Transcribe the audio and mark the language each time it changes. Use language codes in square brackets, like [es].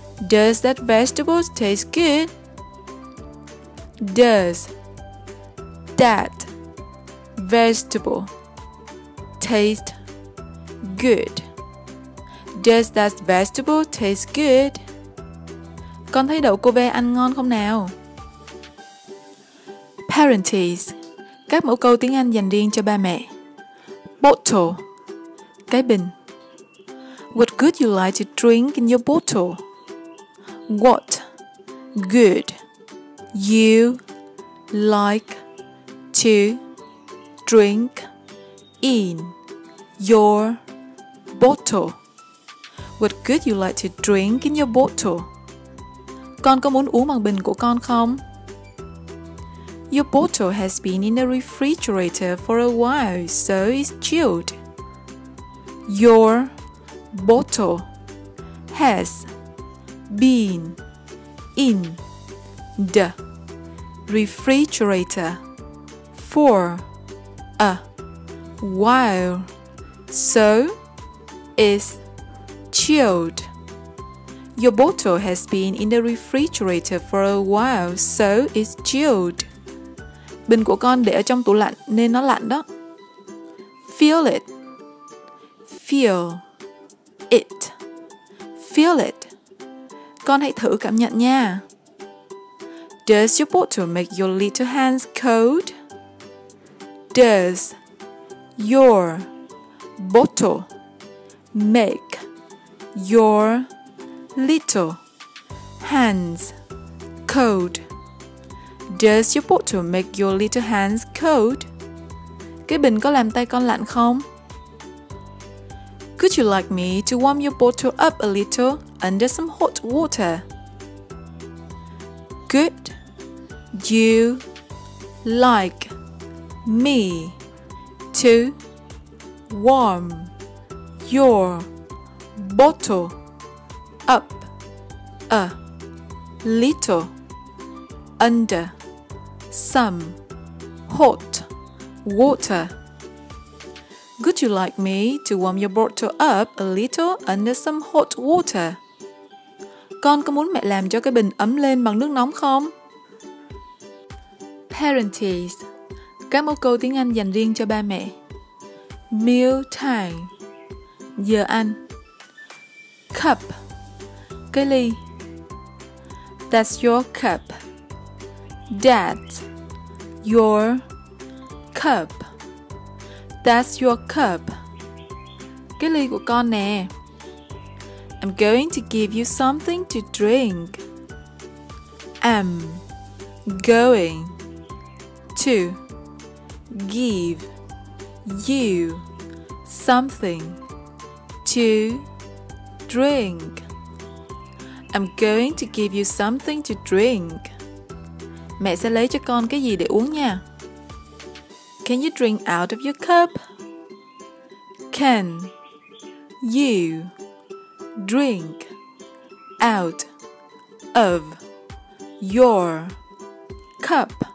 [en] Does that vegetable taste good? Does that vegetable taste good? Does that vegetable taste good? [vi] Con thấy đậu cô ve ăn ngon không nào? [en] Parentheses, [vi] các mẫu câu tiếng Anh dành riêng cho ba mẹ. [en] Bottle, [vi] cái bình. [en] What good you like to drink in your bottle? What good you like to drink in your bottle? What good you like to drink in your bottle? [vi] Con có muốn uống bằng bình của con không? [en] Your bottle has been in the refrigerator for a while, so it's chilled. Your bottle has been in the refrigerator for a while, so it's chilled. Your bottle has been in the refrigerator for a while, so it's chilled. [vi] Bình của con để ở trong tủ lạnh nên nó lạnh đó. [en] Feel it. Feel it. Feel it. [vi] Con hãy thử cảm nhận nha. [en] Does your bottle make your little hands cold? Does your bottle make your little hands cold? Does your bottle make your little hands cold? [vi] Cái bình có làm tay con lạnh không? [en] Could you like me to warm your bottle up a little under some hot water? Could you like me to warm your bottle up a little under some hot water? Would you like me to warm your bottle up a little under some hot water? [vi] Con có muốn mẹ làm cho cái bình ấm lên bằng nước nóng không? [en] Parentheses. [vi] Các mẫu câu tiếng Anh dành riêng cho ba mẹ. [en] Meal time. [vi] Giờ ăn. Cup. Cái ly. [en] That's your cup. That's your cup. That's your cup. [vi] Cái ly của con nè. [en] I'm going to give you something to drink. I'm going to give you something to drink. I'm going to give you something to drink. [vi] Mẹ sẽ lấy cho con cái gì để uống nha. [en] Can you drink out of your cup? Can you drink out of your cup?